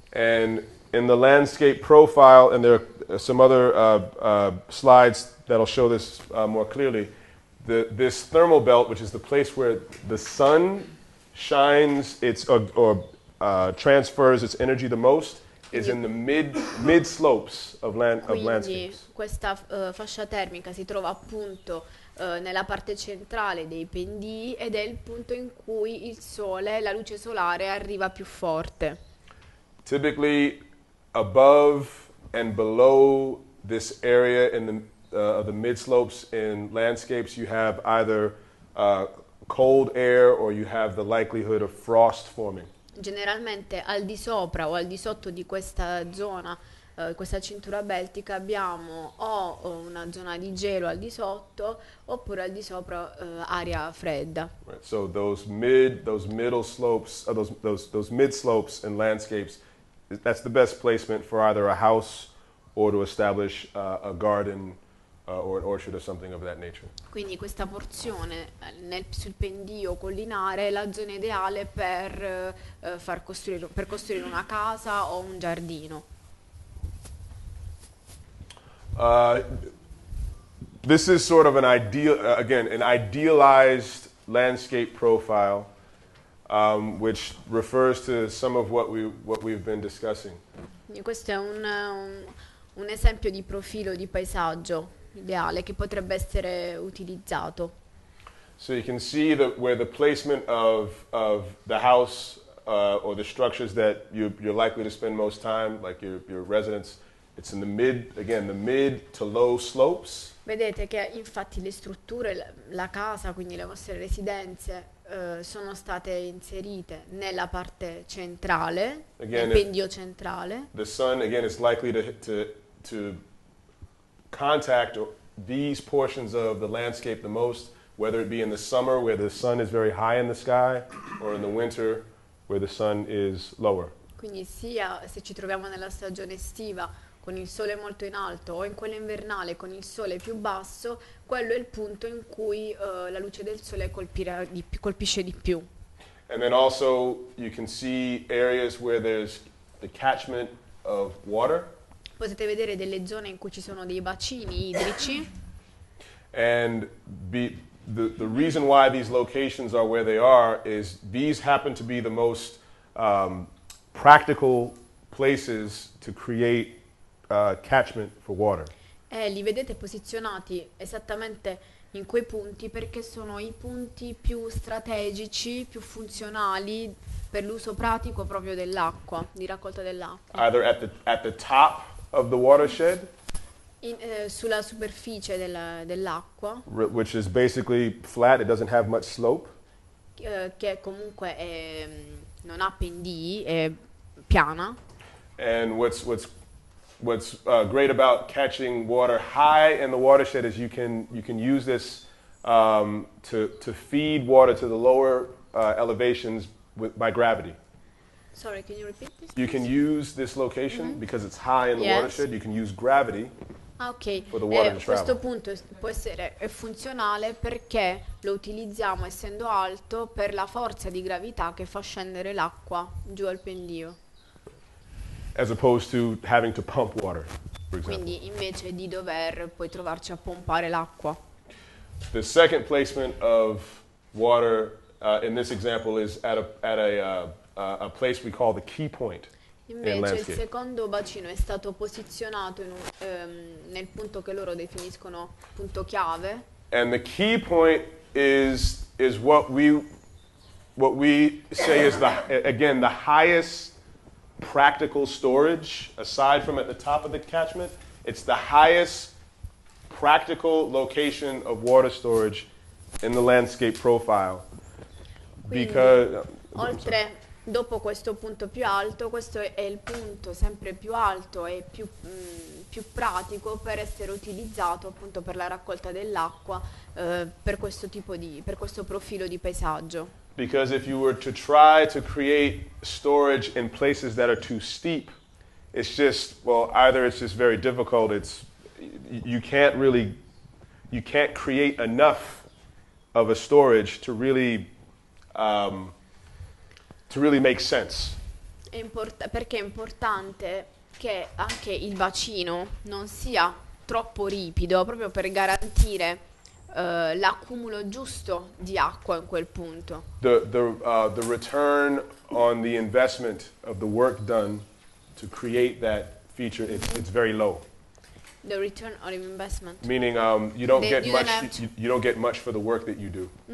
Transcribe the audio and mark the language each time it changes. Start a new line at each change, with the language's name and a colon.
English: And in the landscape profile, and there are some other slides that'll show this more clearly. This thermal belt, which is the place where the sun shines, transfers its energy the most, is in the mid slopes of landscapes.
Italian: Quindi questa fascia termica si trova appunto nella parte centrale dei pendii ed è il punto in cui il sole, la luce solare, arriva più forte.
English: Typically, above and below this area in the mid slopes in landscapes, you have either cold air or you have the likelihood of frost forming.
Italian: Generalmente al di sopra o al di sotto di questa zona, questa cintura beltica, abbiamo o una zona di gelo al di sotto oppure al di sopra aria fredda.
English: Right. So those mid slopes and landscapes, that's the best placement for either a house or to establish a garden or an orchard or something of that nature.
Italian: Quindi questa porzione sul pendio collinare è la zona ideale per costruire una casa o un giardino.
English: This is sort of an idealized landscape profile, which refers to some of what we've been discussing.
Italian: Questo è un esempio di profilo di paesaggio ideale che potrebbe essere utilizzato.
English: So you can see that where the placement of the house or the structures that you're likely to spend most time, like your residence, it's in the mid to low slopes.
Italian: Vedete che infatti le strutture, la casa, quindi le vostre residenze, sono state inserite nella parte centrale, nel pendio centrale.
English: The sun again is likely to contact these portions of the landscape the most, whether it be in the summer where the sun is very high in the sky or in the winter where the sun is lower.
Italian: Quindi sia se ci troviamo nella stagione estiva con il sole molto in alto o in quello invernale con il sole più basso, quello è il punto in cui la luce del sole colpisce di più.
English: And then also you can see areas where there's the catchment of water.
Italian: Potete vedere delle zone in cui ci sono dei bacini idrici.
English: And the reason why these locations are where they are is these happen to be the most practical places to create catchment for water.
Italian: Li vedete posizionati esattamente in quei punti perché sono i punti più strategici, più funzionali per l'uso pratico proprio dell'acqua, di raccolta dell'acqua.
English: Either at the top of the watershed,
Italian: Sulla superficie dell'acqua,
English: which is basically flat, it doesn't have much slope.
Italian: che comunque non ha pendii, è piana.
English: And what's great about catching water high in the watershed is you can use this to feed water to the lower elevations by gravity. Sorry, can you repeat this, You can please? use this location because it's high in the Yes. watershed, you can use gravity
Italian: Ah, ok,
English: for the water to
Italian: questo punto può essere è funzionale perché lo utilizziamo essendo alto per la forza di gravità che fa scendere l'acqua giù al pendio.
English: As opposed to having to pump water, for example.
Italian: Quindi invece di dover poi trovarci a pompare l'acqua.
English: The second placement of water in this example is at a place we call the key point in
Italian: Invece il
English: landscape.
Italian: secondo bacino è stato posizionato nel punto che loro definiscono punto chiave.
English: And the key point is what we say is again, the highest practical storage, aside from at the top of the catchment, it's the highest practical location of water storage in the landscape profile.
Italian: Quindi,
English: I'm sorry.
Italian: oltre dopo questo punto più alto, questo è il punto sempre più alto e più pratico per essere utilizzato appunto per la raccolta dell'acqua, per questo profilo di paesaggio.
English: Because if you were to try to create storage in places that are too steep, it's just, well, either it's just very difficult, you can't create enough of a storage to really make sense.
Italian: Perché è importante che anche il bacino non sia troppo ripido, proprio per garantire l'accumulo giusto di acqua in quel punto.
English: The return on the investment of the work done to create that feature, it's very low. The return on investment. Meaning, You don't have to. you don't get much for the work that you do.